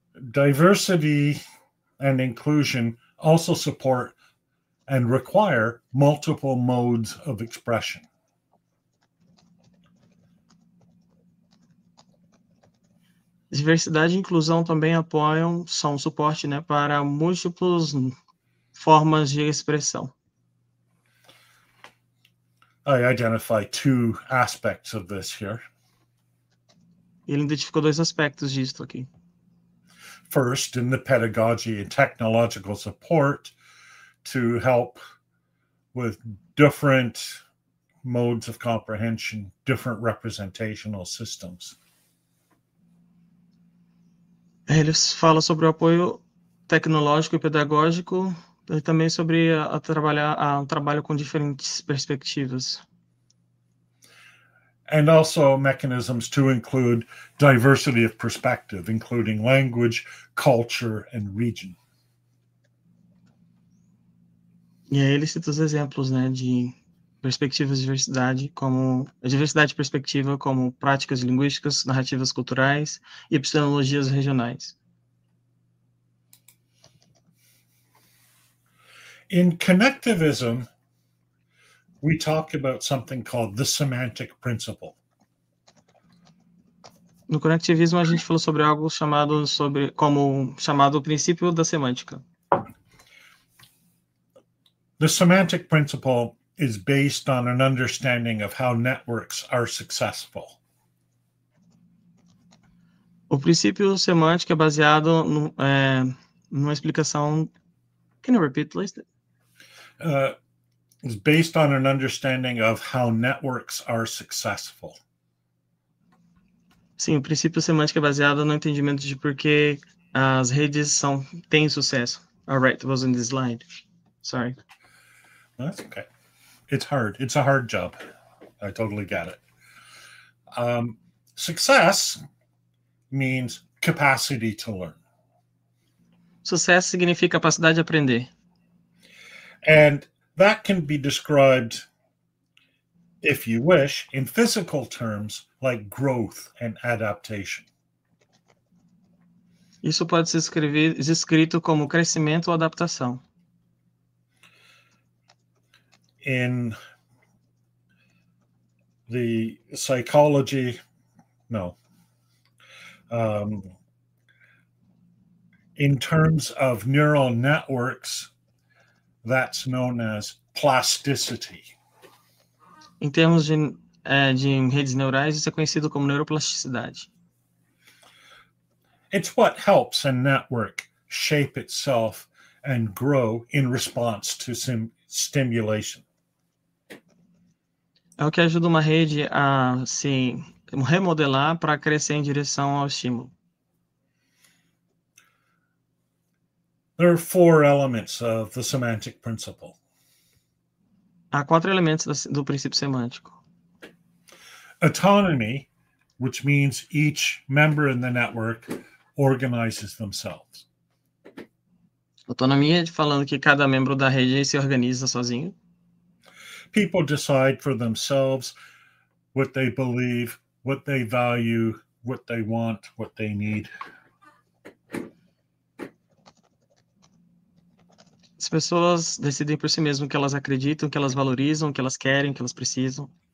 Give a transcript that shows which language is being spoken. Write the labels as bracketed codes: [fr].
[en] Diversity and inclusion also support and require multiple modes of expression. [pt] Diversidade e inclusão também apoiam, são suporte, né, para múltiplas formas de expressão. [en] I identify two aspects of this here. [pt] Ele identificou dois aspectos disto aqui. [en] First, in the pedagogy and technological support to help with different modes of comprehension, different representational systems. [pt] Ele fala sobre o apoio tecnológico e pedagógico e também sobre trabalho com diferentes perspectivas. [en] And also mechanisms to include diversity of perspective, including language, culture, and region. [pt] E aí ele cita os exemplos, né, de perspectivas de diversidade, como a diversidade de perspectiva, como práticas linguísticas, narrativas culturais e epistemologias regionais. [en] In connectivism, we talk about something called the semantic principle. [pt] No conectivismo a gente falou sobre algo chamado chamado princípio da semântica. [en] The semantic principle is based on an understanding of how networks are successful. [pt] O princípio semântico é baseado numa explicação. [en] Can you repeat, please? Is based on an understanding of how networks are successful. [pt] Sim, o princípio semântico é baseado no entendimento de por que as redes têm sucesso. [en] All right, it was in this slide. Sorry. That's okay. It's hard. It's a hard job. I totally get it. Success means capacity to learn. [pt] Sucesso significa capacidade de aprender. [en] And that can be described, if you wish, in physical terms, like growth and adaptation. [pt] Isso pode ser escrito como crescimento ou adaptação. [en] In the psychology, in terms of neural networks, that's known as plasticity. [pt] Em termos de redes neurais, isso é conhecido como neuroplasticidade. [en] It's what helps a network shape itself and grow in response to stimulation. [pt] É o que ajuda uma rede a se remodelar para crescer em direção ao estímulo. [en] There are four elements of the semantic principle. [pt] Há quatro elementos do princípio semântico. [en] Autonomy, which means each member in the network organizes themselves. [pt] Autonomia, falando que cada membro da rede se organiza sozinho. [en] People decide for themselves what they believe, what they value, what they want, what they need. [pt] As pessoas decidem por si mesmo o que elas acreditam, o que elas valorizam, o que elas querem, o que elas precisam.